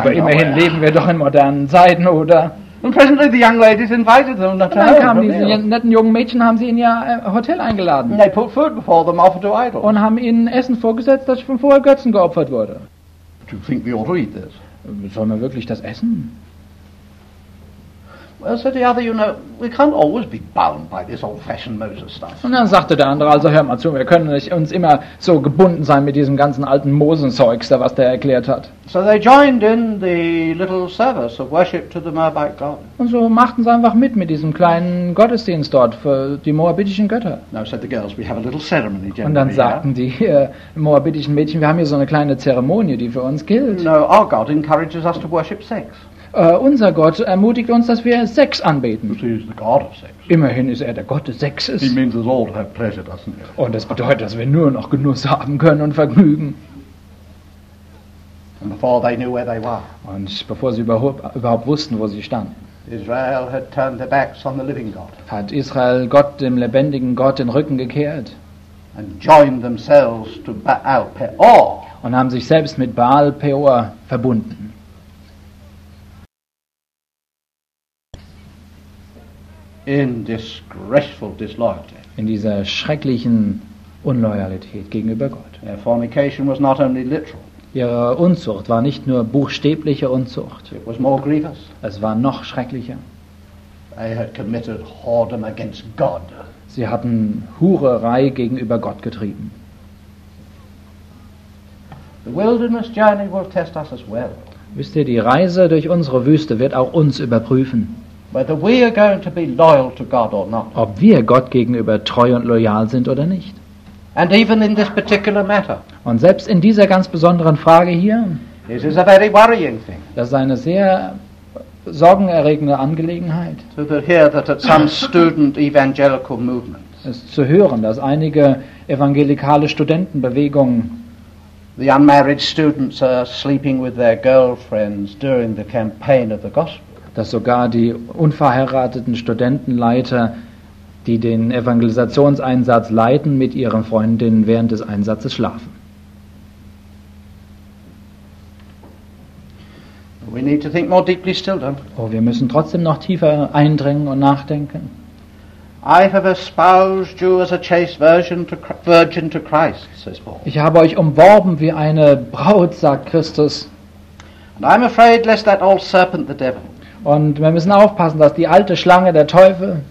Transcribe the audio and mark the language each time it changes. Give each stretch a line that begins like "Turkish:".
German: Aber immerhin leben wir doch in modernen Zeiten, oder?
English: And presently the young ladies invited them to
German: dann kamen diese netten jungen Mädchen, haben sie in ihr Hotel eingeladen.
English: And they put food before them, offered to idols.
German: Und haben ihnen Essen vorgesetzt, das von vorher Götzen geopfert wurde.
English: Do you think we ought to eat this?
German: Sollen wir wirklich das essen?
English: Well, said the other, you know, we can't always be bound by this old-fashioned Moses stuff.
German: Und dann sagte der andere, also hör mal zu, wir können nicht uns immer so gebunden sein mit diesem ganzen alten Mosenzeugs, da was der erklärt hat.
English: So they joined in the little service of worship to the Moabite God.
German: Und so machten sie einfach mit diesem kleinen Gottesdienst dort für die moabitischen Götter.
English: Now said the girls, we have a little ceremony.
German: Und dann sagten die moabitischen Mädchen, wir haben hier so eine kleine Zeremonie, die für uns gilt.
English: No, our God encourages us to worship sex.
German: Unser Gott ermutigt uns, dass wir Sex anbeten.
English: He is the God of sex.
German: Immerhin ist er der Gott des Sexes.
English: He means us all to have pleasure, doesn't it?
German: Und das bedeutet, dass wir nur noch Genuss haben können und Vergnügen.
English: And before they knew where they were.
German: Und bevor sie überhaupt wussten, wo sie standen.
English: Israel had turned their backs on the living God.
German: Hat Israel Gott, dem lebendigen Gott, den Rücken gekehrt.
English: And joined themselves to Baal Peor.
German: Und haben sich selbst mit Baal Peor verbunden.
English: In disgraceful disloyalty.
German: In dieser schrecklichen Unloyalität gegenüber Gott.
English: Their fornication was not only literal.
German: Ihre Unzucht war nicht nur buchstäbliche Unzucht.
English: It was more grievous.
German: Es war noch schrecklicher.
English: They had committed whoredom against God.
German: Sie hatten Hurerei gegenüber Gott getrieben.
English: The wilderness journey will test us as well.
German: Wisst ihr, die Reise durch unsere Wüste wird auch uns überprüfen.
English: Whether we are going to be loyal to God or not.
German: Ob wir Gott gegenüber treu und loyal sind oder nicht.
English: And even in this particular matter.
German: Und selbst in dieser ganz besonderen Frage hier.
English: This is a very worrying thing.
German: Das ist eine sehr sorgenerregende Angelegenheit.
English: To hear that at some student evangelical movement.
German: Es zu hören, dass einige evangelikale Studentenbewegungen.
English: The unmarried students are sleeping with their girlfriends during the campaign of the gospel.
German: Dass sogar die unverheirateten Studentenleiter, die den Evangelisationseinsatz leiten, mit ihren Freundinnen während des Einsatzes schlafen.
English: We need to think more deeply still, don't we?
German: Oh, wir müssen trotzdem noch tiefer eindringen und nachdenken.
English: I have espoused you as a chaste virgin to Christ, says Paul.
German: Ich habe euch umworben wie eine Braut, sagt Christus.
English: And I'm afraid lest that old serpent, the devil.
German: Und wir müssen aufpassen, dass die alte Schlange, der Teufel,